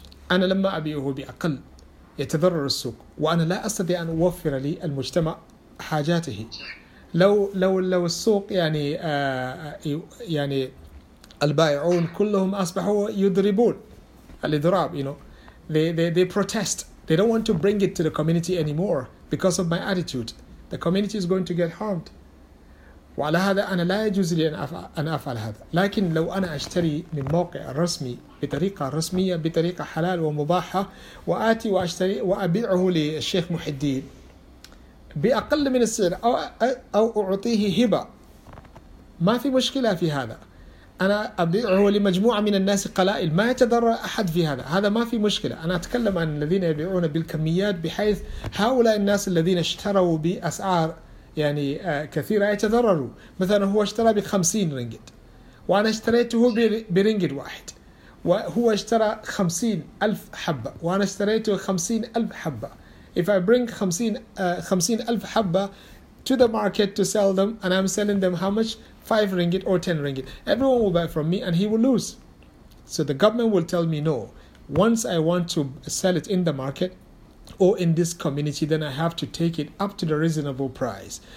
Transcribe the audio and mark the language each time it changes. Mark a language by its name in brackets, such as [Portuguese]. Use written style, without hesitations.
[Arabic] أنا لما أبيعه بأقل يتضرر السوق، وأنا لا أستطيع أن أوفر للمجتمع حاجاته. لو السوق يعني البائعون كلهم أصبحوا يضربون الإضراب، [English] you know, they protest. They don't want to bring it to the community anymore because of my attitude. The community is going to get harmed. [Arabic] وعلى هذا أنا لا يجوز لي أن أفعل هذا. لكن لو أنا أشتري من موقع رسمي بطريقة رسمية، بطريقة حلال ومباحة، وآتي وأشتري وأبيعه للشيخ محي الدين بأقل من السعر، أو أعطيه هبة، ما في مشكلة في هذا. أنا أبيعه لمجموعة من الناس قلائل، ما يتضرر أحد في هذا، هذا ما في مشكلة. أنا أتكلم عن الذين يبيعون بالكميات، بحيث هؤلاء الناس الذين اشتروا بأسعار يعني كثيرة يتضرروا. مثلا هو اشترى ب50 رنجت، وأنا اشتريته برنجت واحد، وهو اشترى 50,000 حبة، وأنا اشتريته 50,000 حبة. [English] If I bring 50,000 habba to the market to sell them, and I'm selling them how much? 5 ringgit or 10 ringgit. Everyone will buy from me and he will lose. So the government will tell me no. Once I want to sell it in the market or in this community, then I have to take it up to the reasonable price.